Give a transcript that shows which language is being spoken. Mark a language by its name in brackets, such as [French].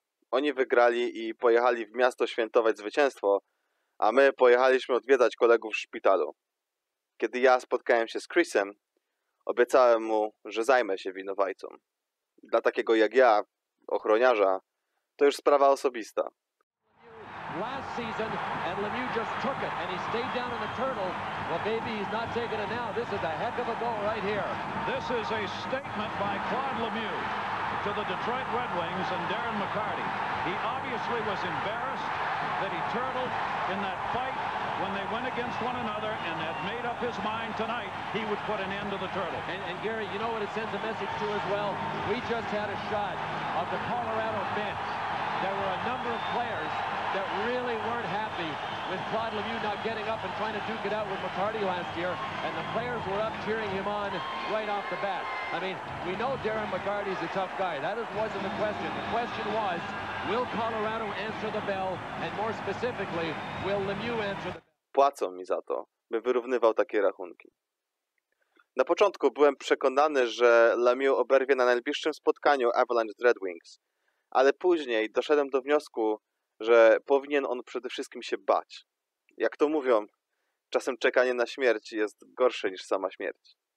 [Polish] Oni wygrali i pojechali w miasto świętować zwycięstwo, a my pojechaliśmy odwiedzać kolegów w szpitalu. Kiedy ja spotkałem się z Chrisem, obiecałem mu, że zajmę się winowajcą. Dla takiego jak ja, ochroniarza, to już sprawa osobista. [English] Last season, and Lemieux just took it, and he stayed down in the turtle. Well, baby, he's not taking it now. This is a heck of a goal right here. This is a statement by Claude Lemieux to the Detroit Red Wings and Darren McCarty. He obviously was embarrassed that he turtled in that fight when they went against one another and had made up his mind tonight he would put an end to the turtle. And Gary, you know what it sends a message to as well? We just had a shot of the Colorado bench. There were a number of players that really weren't happy with Claude Lemieux not getting up and trying to duke it out with McCarty last year, and the players were up cheering him on right off the bat. I mean, we know Darren McCarty's a tough guy. That wasn't the question. The question was, will Colorado answer the bell, and more specifically, will Lemieux answer the bell? [Polish] Płacą mi za to, by wyrównywał takie rachunki. Na początku byłem przekonany, że Lemieux oberwie na najbliższym spotkaniu Avalanche Red Wings, ale później doszedłem do wniosku, że powinien on przede wszystkim się bać. Jak to mówią, czasem czekanie na śmierć jest gorsze niż sama śmierć.